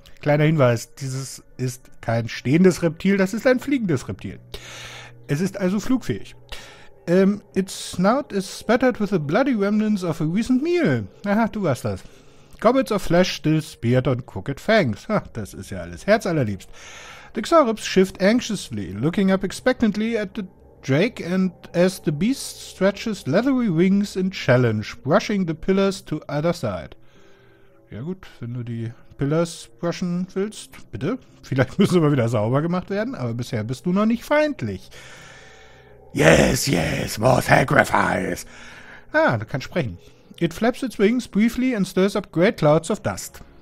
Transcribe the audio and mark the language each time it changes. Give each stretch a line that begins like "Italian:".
German: Kleiner Hinweis, dieses ist kein stehendes Reptil, das ist ein fliegendes Reptil. Es ist also flugfähig.
English: Its snout is spattered with the bloody remnants of a recent meal.
German: Aha, du warst das.
English: Gobbets of flesh still speared on crooked fangs.
German: Ha, das ist ja alles herzallerliebst.
English: The Xaurips shift anxiously, looking up expectantly at the Drake and as the beast stretches leathery wings in challenge, brushing the pillars to either side.
German: Ja gut, wenn du die Pillars brushen willst, bitte. Vielleicht müssen sie mal wieder sauber gemacht werden, aber bisher bist du noch nicht feindlich.
English: Yes, yes, more sacrifice.
German: Ah, du kannst sprechen.
English: It flaps its wings briefly and stirs up great clouds of dust.